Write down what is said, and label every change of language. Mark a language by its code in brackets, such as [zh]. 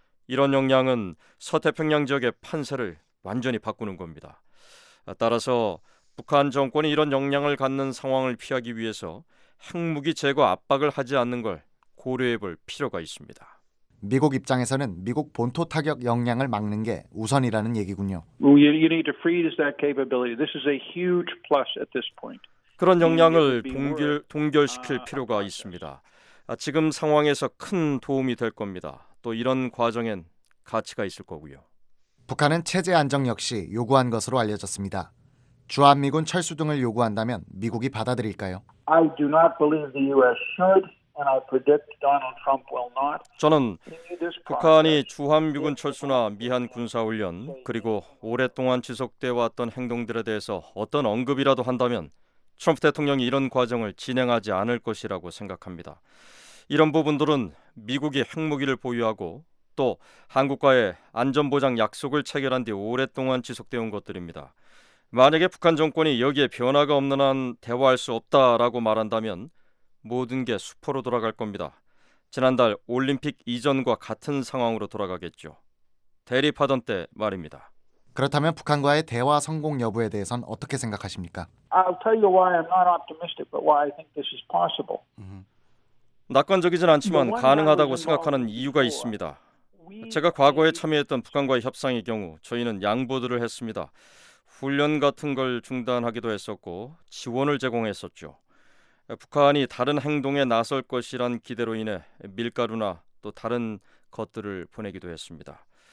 [ko] 이런 역량은 서태평양 지역의 판세를 완전히 바꾸는 겁니다. 따라서 북한 정권이 이런 역량을 갖는 상황을 피하기 위해서 핵무기 제거 압박을 하지 않는 걸 고려해 볼 필요가 있습니다. 미국 입장에서는 미국 본토 타격 역량을 막는 게 우선이라는 얘기군요. [en] You need to freeze that capability. This is a huge plus at this point. [ko] 그런 역량을 동결시킬 필요가 있습니다. 지금 상황에서 큰 도움이 될 겁니다. 또 이런 과정엔 가치가 있을 거고요. 북한은 체제 안정 역시 요구한 것으로 알려졌습니다. 주한미군 철수 등을 요구한다면 미국이 받아들일까요? [en] I do not believe the U.S. should, and I predict Donald Trump will not. [ko] 저는 북한이 주한미군 철수나 미한 군사훈련 그리고 오랫동안 지속돼왔던 행동들에 대해서 어떤 언급이라도 한다면 트럼프 대통령이 이런 과정을 진행하지 않을 것이라고 생각합니다. 이런 부분들은 미국이 핵무기를 보유하고 또 한국과의 안전보장 약속을 체결한 뒤 오랫동안 지속되어 온 것들입니다. 만약에 북한 정권이 여기에 변화가 없는 한 대화할 수 없다라고 말한다면 모든 게 수포로 돌아갈 겁니다. 지난달 올림픽 이전과 같은 상황으로 돌아가겠죠. 대립하던 때 말입니다. 그렇다면 북한과의 대화 성공 여부에 대해선 어떻게 생각하십니까? [en] I'll tell you why I'm not optimistic, but why I think this is possible. [ko] 낙관적이진 않지만 가능하다고 생각하는 이유가 있습니다. 제가 과거에 참여했던 북한과의 협상의 경우 저희는 양보들을 했습니다. 훈련 같은 걸 중단하기도 했었고 지원을 제공했었죠. 북한이 다른 행동에 나설 것이란 기대로 인해 밀가루나 또 다른 것들을 보내기도 했습니다.